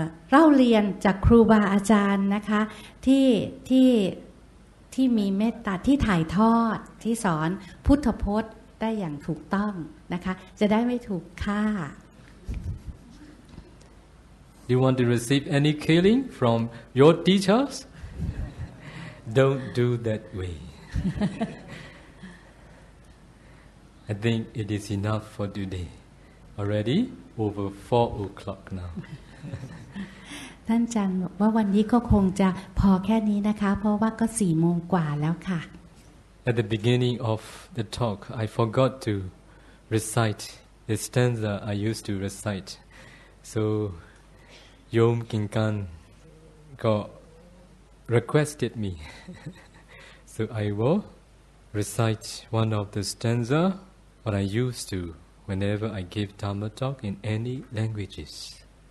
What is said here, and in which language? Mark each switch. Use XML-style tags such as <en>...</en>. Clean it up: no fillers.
<th>เล่าเรียนจากครูบาอาจารย์นะคะที่มีเมตตาที่ถ่ายทอดที่สอนพุทธพจน์ได้อย่างถูกต้องนะคะจะได้ไม่ถูกฆ่า</th> <en>Do you want to receive any killing from your teachers? Don't do that way. I think it is enough for today. Already over 4 o'clock now.</en> <th>ท่านอาจารย์ว่าวันนี้ก็คงจะพอแค่นี้นะคะเพราะว่าก็4 โมงกว่าแล้วค่ะ</th> <en>At the beginning of the talk, I forgot to recite the stanza I used to recite. So, Yom Kinkan requested me. So I will recite one of the stanza what I used to whenever I give Dharma talk in any languages.</en>